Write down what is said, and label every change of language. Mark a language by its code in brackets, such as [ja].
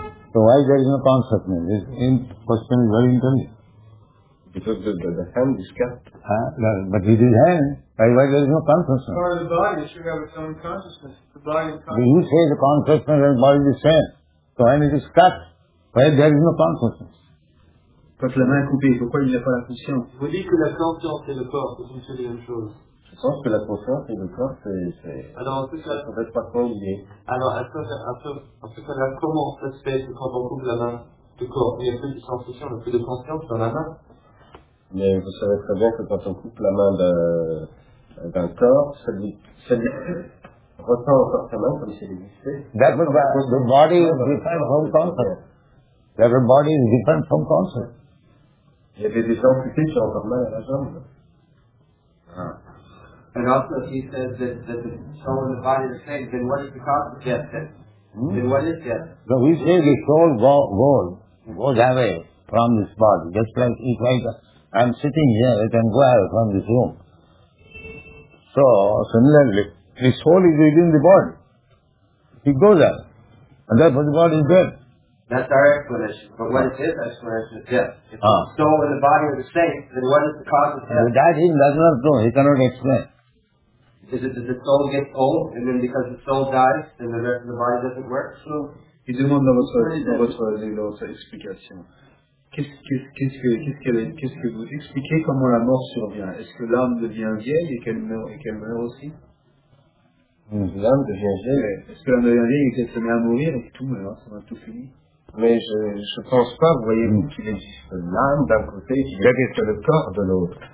[en] So why there is no consciousness? This question is very interesting. Because the hand is cut. But it is hand. Why there is no consciousness? Part of the body, it should have its own consciousness. The body is conscious. You say the consciousness and body is the same. So when it is cut, why there is no consciousness? [fr] Quand la main est coupée, pourquoi il n'y a pas la conscience? Vous dites que la conscience et le corps, c'est une seule et même chose. Je pense que la conscience et le corps, c'est... Alors, en tout cas, ça ne peut pas être lié. Alors, en tout cas, comment ça se fait quand on coupe la main, le corps, il n'y a plus de sensation, il n'y a plus de conscience dans la main? Mais vous savez très bien que quand on coupe la main d'un corps, celle-ci retient encore sa main comme si elle existait. [en] The body is different from conscience. The body is different from conscience. [fr] Il y avait des gens qui ont encore mal à la jambe. [en] And also, he says that the soul and the body are the same. Then what is the cause of death? Then what is death? So we say the soul goes away from this body, just like if I'm sitting here, it can go out from this room. So similarly, the soul is within the body. It goes out, and therefore the body is dead. That's our explanation. But what is his explanation is death. If the soul and the body are the same, then what is the cause of death? That he does not know. He cannot explain. Is it that the soul gets old, and then because the soul dies, then the rest of the body doesn't work? So he demands [fr] votre explication. Qu'est-ce que vous expliquez comment la mort survient? Est-ce que l'âme devient vieille et qu'elle meurt aussi? L'âme devient vieille. Est-ce que l'âme devient vieille et qu'elle se met à mourir et tout meurt, ça va tout finir? Mais je pense pas, vous voyez, qu'il existe l'âme d'un côté, qu'il existe le corps de l'autre.